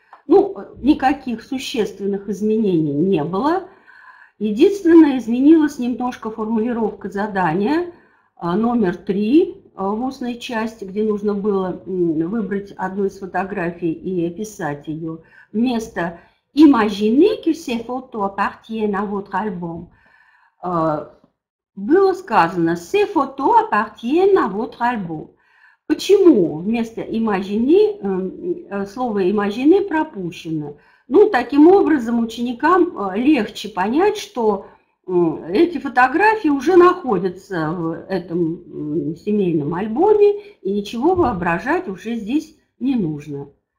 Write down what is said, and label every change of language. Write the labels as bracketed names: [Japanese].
[Russian] Ну, никаких существенных изменений не было. Единственное, изменилась немножко формулировка задания номер 3 в устной части, где нужно было выбрать одну из фотографий и описать ее. Вместо [French] «Imaginez que ces photos appartiennent à votre album» [Russian] было сказано [French] «Ces photos appartiennent à votre album». [Russian] Почему вместо «imagine» слово «imagine» пропущено? Ну, таким образом ученикам легче понять, что эти фотографии уже находятся в этом семейном альбоме, и ничего воображать уже здесь не нужно.